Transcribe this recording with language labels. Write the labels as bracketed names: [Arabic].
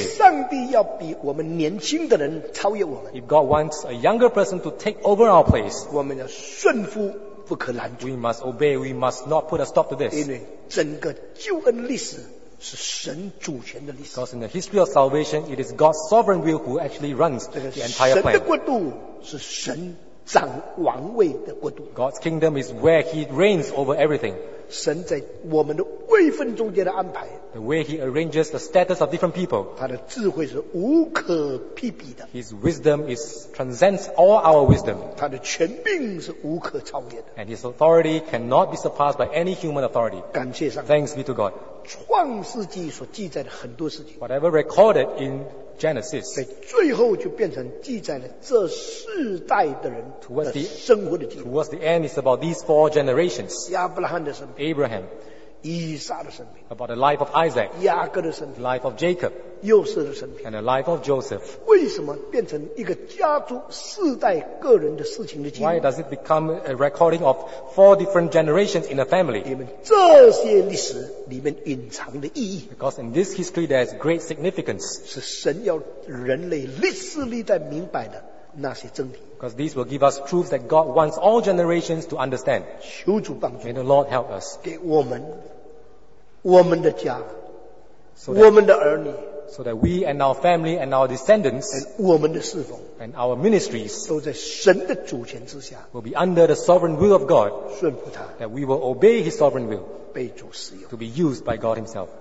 [Chinese] 上帝要比我们年轻的人超越我们 [English] If God wants a younger person to take over our place, [Chinese] 我们要顺服不可拦阻 [English] We must obey. We must not put a stop to this. [Chinese] 因为整个救恩历史是神主权的历史 [English] Because in the history of salvation, it is God's sovereign will who actually runs the entire plan. [Chinese] 神的国度是神掌王位的国度 [English] God's kingdom is where he reigns over everything. [Chinese] 神在我们的位分中间的安排 [English] The way he arranges the status of different people. [Chinese] 他的智慧是无可匹比的 [English] His wisdom is, transcends all our wisdom. [Chinese] 他的权柄是无可超越的 [English] And his authority cannot be surpassed by any human authority. [Chinese] 感谢上帝 [English] Thanks be to God. [Chinese] 创世纪所记载的很多事情 [English] Whatever recorded in Genesis, [Chinese] 在最后就变成记载了这世代的人的生活的记录。 [English] Towards the end, it's about these four generations. [Chinese] Abraham 的生命 [English] Abraham, [Chinese] 以撒的生命 [English] About the life of Isaac. [Chinese] 雅各的生命 [English] Life of Jacob. [Chinese] 约瑟的生命 [English] And the life of Joseph. [Chinese] 为什么变成一个家族世代个人的事情的记录 [English] Why does it become a recording of four different generations in a family? [Chinese] 因为这些历史里面隐藏的意义 [English] Because in this history there is great significance [Chinese] 是神要人类历史历代明白的那些真理 [English] Because these will give us truths that God wants all generations to understand [Chinese] 求主帮助 [English] May the Lord help us [Chinese] 给我们我们的家 我们的儿女 [English] So that we and our family and our descendants [Chinese] and 我们的侍奉 [English] and our ministries [Chinese] 都在神的主权之下 [English] will be under the sovereign will of God [Chinese] 顺服他 [English] that we will obey his sovereign will [Chinese] 被主使用 [English] to be used by God himself